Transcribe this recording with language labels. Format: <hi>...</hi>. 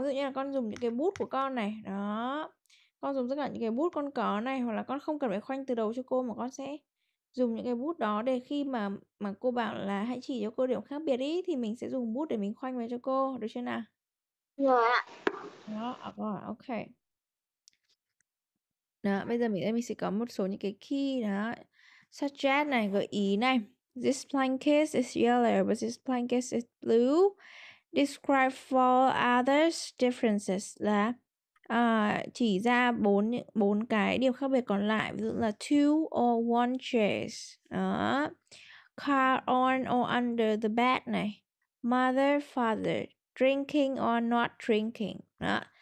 <vi>Ví dụ như là con dùng những cái bút của con này, đó. Con dùng tất cả những cái bút con có này, hoặc là con không cần phải khoanh từ đầu cho cô, mà con sẽ dùng những cái bút đó để khi mà cô bảo là hãy chỉ cho cô điểm khác biệt ý, thì mình sẽ dùng bút để mình khoanh vào cho cô, được chưa nào? Yeah. Đó, ok. Đó, bây giờ mình sẽ có một số những cái key đó. Suggest này, gợi ý này.</vi> <en>This blanket is yellow, but this blanket is blue. Describe four others differences.</en> <vi>Là chỉ ra bốn cái điều khác biệt còn lại. Ví dụ là</vi> <en>two or one chairs. Đó. Car on or under the bed này. Mother, father. Drinking or not drinking. Đó.</en>